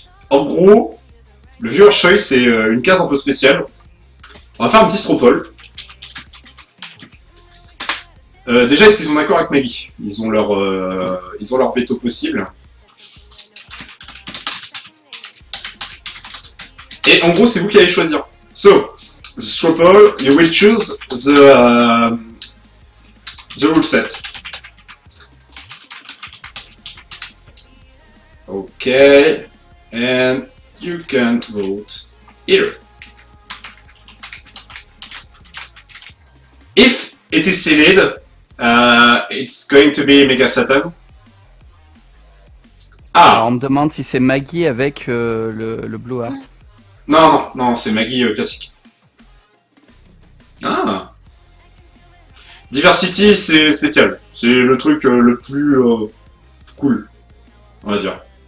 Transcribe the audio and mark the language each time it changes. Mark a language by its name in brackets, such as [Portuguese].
[French] En gros, le viewer choice, c'est une case un peu spéciale. On va faire un petit straw poll. Déjà, est-ce qu'ils ont d'accord avec Maggie? Ils ont leur veto possible. Et en gros, c'est vous qui allez choisir. [English] So, the straw poll, you will choose the rule set. Ok, and you can vote here. If it is sealed, it's going to be Mega Satan. Ah. [French] Alors on me demande si c'est Maggie avec le Blue Heart. Non, c'est Maggie classique. Ah. Diversity, c'est spécial. C'est le truc le plus cool, on va dire.